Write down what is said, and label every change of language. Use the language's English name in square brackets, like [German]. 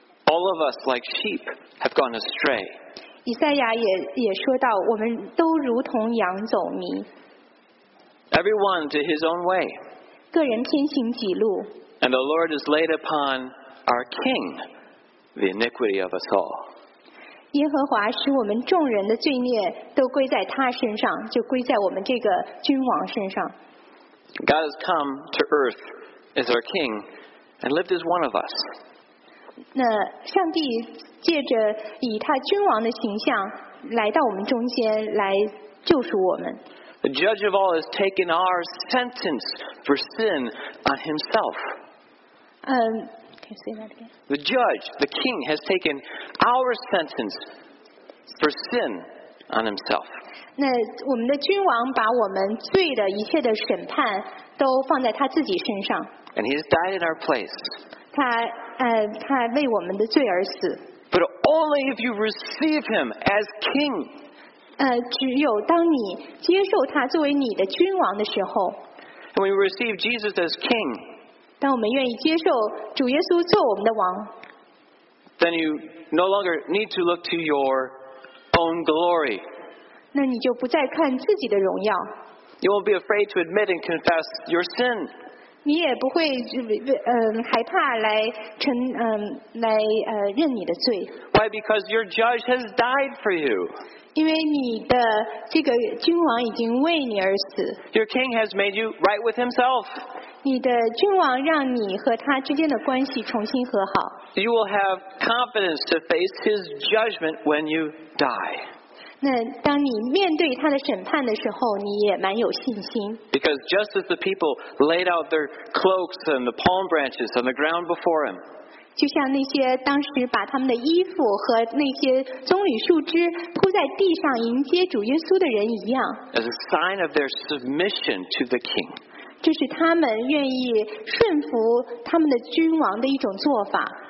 [English] All of us, like sheep, have gone astray. [Chinese] 以赛亚也说到，我们都如同羊走迷。 [English] Everyone to his own way. [Chinese] 个人偏行己路。 [English] And the Lord has laid upon our king the iniquity of us all. [Chinese] 耶和华使我们众人的罪孽都归在他身上，就归在我们这个君王身上。 [English] God has come to earth as our king and lived as one of us. [Chinese] 那上帝借着以他君王的形象来到我们中间来救赎我们。 [English] The judge of all has taken our sentence for sin on himself. Can you say that again? The judge, the king, has taken our sentence for sin on himself. [Chinese] 那我们的君王把我们罪的一切的审判都放在他自己身上。 [English] And he has died in our place. [Chinese] 他为我们的罪而死。 [English] But only if you receive him as king. [Chinese] 只有当你接受他作为你的君王的时候。 [English] And when we receive Jesus as king. [Chinese] 当我们愿意接受主耶稣做我们的王。 [English] Then you no longer need to look to your own glory. [Chinese] 那你就不再看自己的荣耀。 [English] You won't be afraid to admit and confess your sin. [Chinese] 你也不会害怕来承来认你的罪。 [English] Why? Because your judge has died for you. [Chinese] 因为你的这个君王已经为你而死。 [English] Your king has made you right with himself. [Chinese] 你的君王让你和他之间的关系重新和好。 [English] You will have confidence to face his judgment when you die. [Chinese] 那当你面对他的审判的时候，你也蛮有信心。 [English] Because just as the people laid out their cloaks and the palm branches on the ground before him, [Chinese] 就像那些当时把他们的衣服和那些棕榈树枝铺在地上迎接主耶稣的人一样。 [English] As a sign of their submission to the king, [Chinese] 就是他们愿意顺服他们的君王的一种做法。